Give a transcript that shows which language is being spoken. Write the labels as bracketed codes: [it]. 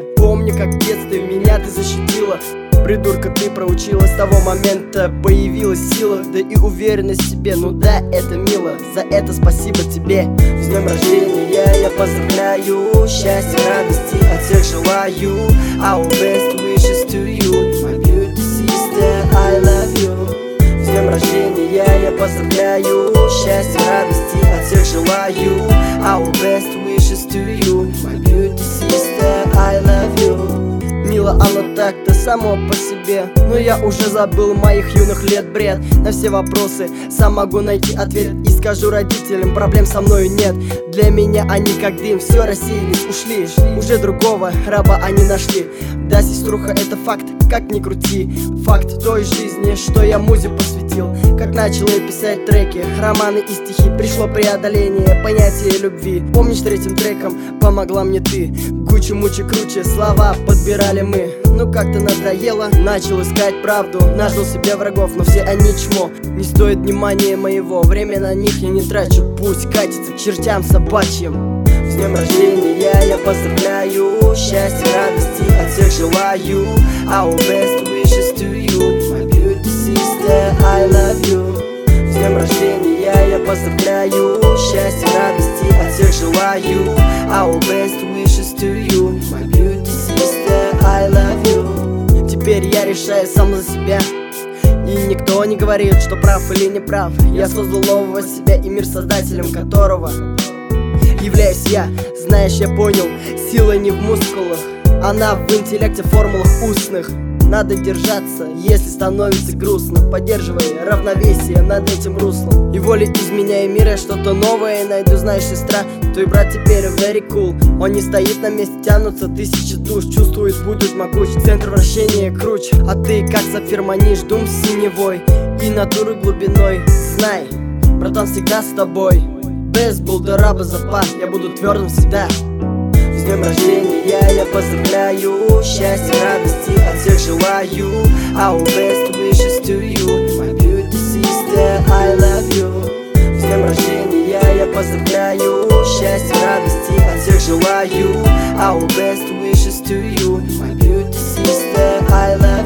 [ru] Помню, как в детстве меня ты защитила, придурка ты проучила. С того момента появилась сила, да и уверенность в себе. Ну да, это мило, за это спасибо тебе. С днем рождения я поздравляю, счастья, радости от всех желаю. [en] All best wishes to you, my beauty sister, I love you. [ru] С днем рождения я поздравляю, счастья, радости от всех желаю. [en] All best wishes to you, my beauty sister, I love you. [ru] Мило оно так-то само по себе, но я уже забыл моих юных лет бред. На все вопросы сам могу найти ответ и скажу родителям, проблем со мною нет. Для меня они как дым, все рассеялись, ушли. Уже другого раба они нашли. Да, сеструха, это факт, как ни крути. Факт той жизни, что я музе посвятил. Как начал я писать треки, романы и стихи, пришло преодоление понятия любви. Помнишь, третьим треком помогла мне ты. Кучу мучи круче, слова подбирали мы. Ну как-то надоело, начал искать правду. Нашел себе врагов, но все они чмо. Не стоит внимания моего, время на них я не трачу. Пусть катится к чертям собачьим. С днем рождения я поздравляю, счастья, радости от всех желаю. [en] All best wishes to you, my beauty sister, I love you. [ru] С днем рождения я поздравляю, счастья, радости от всех желаю. [en] All best wishes to you, my beauty sister, I love you. [ru] Теперь я решаю сам за себя, и никто не говорит, что прав или не прав. Я создал нового себя и мир, создателем которого являюсь я. Знаешь, я понял, сила не в мускулах, она в интеллекте, в формулах устных. Надо держаться, если становится грустно, поддерживая равновесие над этим руслом. И волей изменяя мир, я что-то новое найду. Знаешь, сестра, твой брат теперь [en] very cool. [ru] Он не стоит на месте, тянутся тысячи душ. Чувствует, будет могуч, центр вращения круч. А ты как сапфир манишь, дум синевой и натурой глубиной. Знай, братан всегда с тобой. Без булдера бы запас, я буду твердым всегда. С днем рождения я поздравляю, счастья, радости от всех желаю. [en] All best wishes to you, my beauty sister, I love you. [ru] С днем рождения я поздравляю, счастья, радости от всех желаю. [en] All best wishes to you, my beauty sister, I love you.